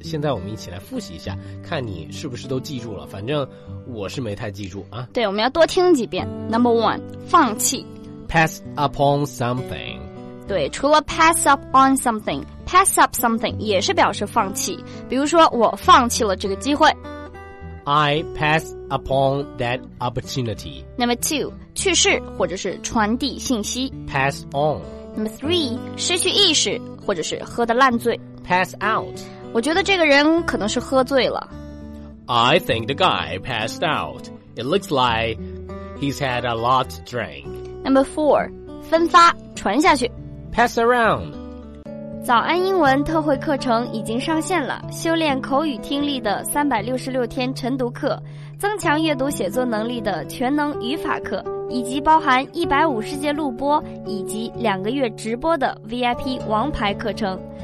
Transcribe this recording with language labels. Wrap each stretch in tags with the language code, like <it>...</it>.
<zh>现在我们一起来复习一下，看你是不是都记住了，反正我是没太记住啊。对，我们要多听几遍。</zh> <en>Number one，</en> <zh>放弃。</zh> <en>Pass upon something。</en> <zh>对，除了 pass up on something, pass up something 也是表示放弃，比如说我放弃了这个机会。</zh> <en>I pass upon that opportunity. Number two,</en> <zh>去世或者是传递信息。</zh> <en>Pass on. Number three,</en> <zh>失去意识或者是喝得烂醉。</zh> <en>Pass out.</en> <zh>我觉得这个人可能是喝醉了。</zh> <en>I think the guy passed out. It looks like he's had a lot to drink. Number four,</en> <zh>分发传下去。</zh> <en>Pass around.</en> <zh>早安英文特惠课程已经上线了，修炼口语听力的366天晨读课，增强阅读写作能力的全能语法课，以及包含150节录播以及2个月直播的 VIP 王牌课程。</zh>